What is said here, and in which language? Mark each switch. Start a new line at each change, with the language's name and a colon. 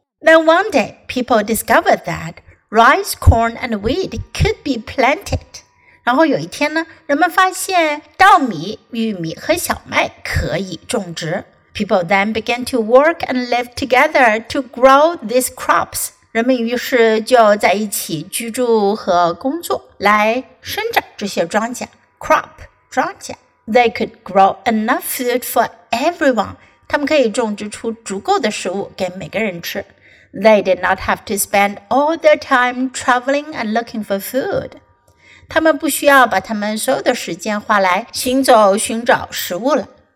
English: Then one day, people discovered that rice, corn, and wheat could be planted.
Chinese: 然后有一天呢，人们发现稻米、玉米和小麦可以种植。
English: People then began to work and live together to grow these crops.
Chinese: 人们于是就在一起居住和工作，来生长这些庄稼。
English: Crop, 庄稼。They could grow enough food for everyone.
Chinese: 他们可以种植出足够的食物给每个人吃。
English: They did not have to spend all their time traveling and looking for food.
Chinese: 他们不需要把他们所有的时间花来行走寻找食物了。